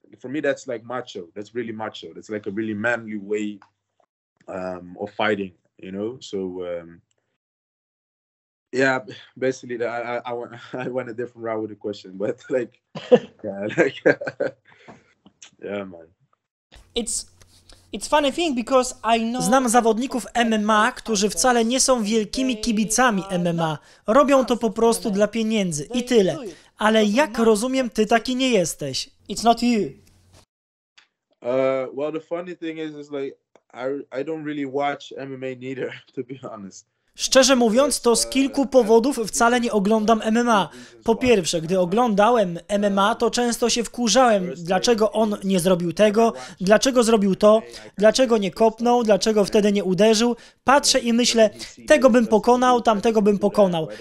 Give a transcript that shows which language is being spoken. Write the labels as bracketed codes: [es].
[en] For me, that's like macho. That's really macho. That's like a really manly way of fighting, you know. So yeah, basically I went a different route with the question, but like yeah man, it's funny thing because I know. [pl] Znam zawodników MMA, którzy wcale nie są wielkimi kibicami MMA. Robią to po prostu dla pieniędzy i tyle. Ale jak rozumiem, ty taki nie jesteś. [en] It's not you. Well, the funny thing is like I don't really watch MMA neither, to be honest. [pl] Szczerze mówiąc, to z kilku powodów wcale nie oglądam MMA. Po pierwsze, gdy oglądałem MMA, to często się wkurzałem, dlaczego on nie zrobił tego, dlaczego zrobił to, dlaczego nie kopnął, dlaczego wtedy nie uderzył. Patrzę i myślę, tego bym pokonał, tamtego bym pokonał.